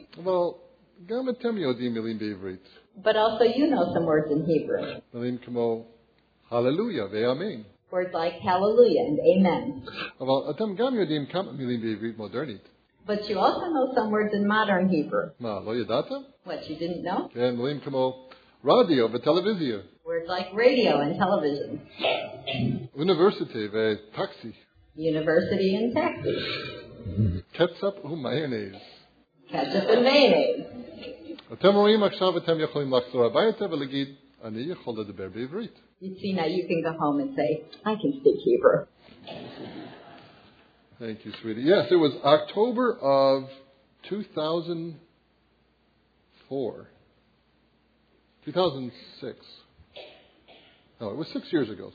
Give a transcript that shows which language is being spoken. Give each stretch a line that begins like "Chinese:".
Hebrew: Well, גם אתם יודעים מילים בעברית.
English: But also you know some words in Hebrew.
Hebrew: מילים כמו hallelujah ואמן.
English: Words like hallelujah and amen.
Hebrew: אבל אתם גם יודעים כמה מילים בעברית מודרנית.
English: But you also know some words in modern Hebrew.
Hebrew: מה, לא ידעת?
English: What, you didn't know?
Hebrew: כן, מילים כמו radio ותלוויזיה.
English: Words like radio and television.
Hebrew: University ותaxi.
English: University and taxi.
Hebrew: Ketchup ומיונז.
English: Ketchup and mayonnaise. אתם רואים עכשיו אתם יכולים לחזור הביתה ולהגיד, אני יכול לדבר בעברית. You see, now you can go home and say, I can speak Hebrew. Thank you, sweetie. Yes, it was October of 2006. No, it was 6 years ago.